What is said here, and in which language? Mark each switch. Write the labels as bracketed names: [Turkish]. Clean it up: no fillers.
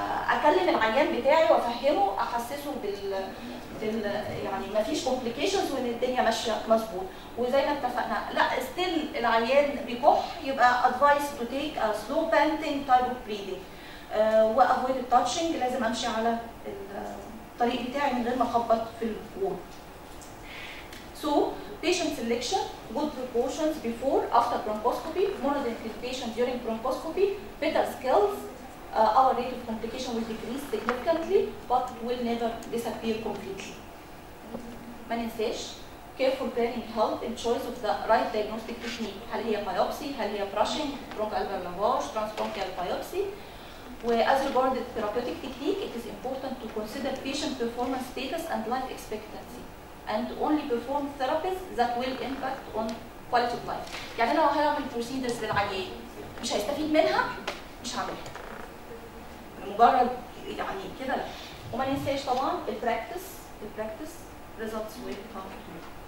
[Arabic] اكلم العيان بتاعي وافهمه احسسه بال يعني ما فيش كومبليكيشنز وان الدنيا ماشيه مظبوط، وزي ما اتفقنا لا ستيل العيان بيكح يبقى [English] advise to take a slow panting type of breathing وافويد التاتشنج، [Arabic] لازم امشي على الطريق بتاعي من غير ما اخبط في الوول. [English] So patient selection, good precautions before, after bronchoscopy, monitoring patient during bronchoscopy, better skills, our rate of complication will decrease significantly, but will never disappear completely. [Arabic] ما ننساش, [English] careful planning help and choice of the right diagnostic technique, [Arabic] هل هي [English] biopsy, هل هي brushing, bronchoalveolar lavage, transbronchial biopsy. As regarded therapeutic technique, it is important to consider patient performance status and life expectancy. And only perform therapies that will impact on quality of life. [Arabic] يعني أنا هعمل procedures للعيان مش هيستفيد منها مش هعملها. مجرد يعني كده لا. وما ننساش طبعا [English] the practice, results will come to you.